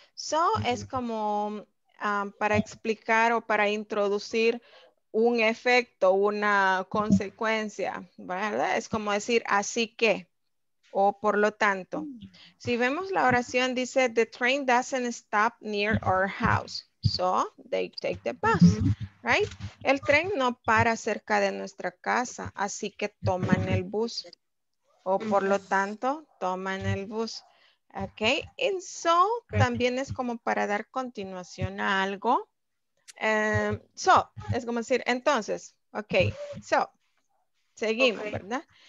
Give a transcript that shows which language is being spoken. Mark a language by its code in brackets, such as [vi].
[es] So es como para explicar o para introducir un efecto, una consecuencia, ¿verdad? Es como decir, así que, o por lo tanto. Si vemos la oración, dice, [en] the train doesn't stop near our house, so they take the bus, right? [es] El tren no para cerca de nuestra casa, así que toman el bus, o por lo tanto, toman el bus. Okay, and so, también es como para dar continuación a algo. So, es como decir, entonces, ok, so, seguimos, okay. ¿Verdad?